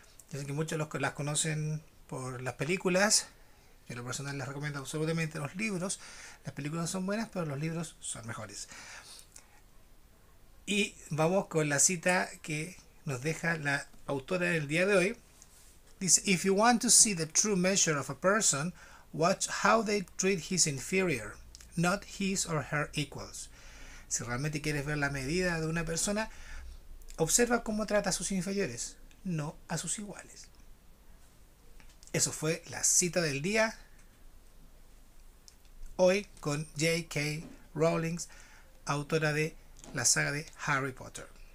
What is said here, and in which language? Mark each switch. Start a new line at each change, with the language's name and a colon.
Spanish: Yo sé que muchos de los que las conocen por las películas, yo en lo personal les recomiendo absolutamente los libros. Las películas son buenas, pero los libros son mejores. Y vamos con la cita que nos deja la autora del día de hoy. Dice:
English: If you want to see the true measure of a person, watch how they treat his inferior, not his or her equals.
Spanish: Si realmente quieres ver la medida de una persona, observa cómo trata a sus inferiores, no a sus iguales. Eso fue la cita del día. Hoy con J.K. Rowling, autora de la saga de Harry Potter.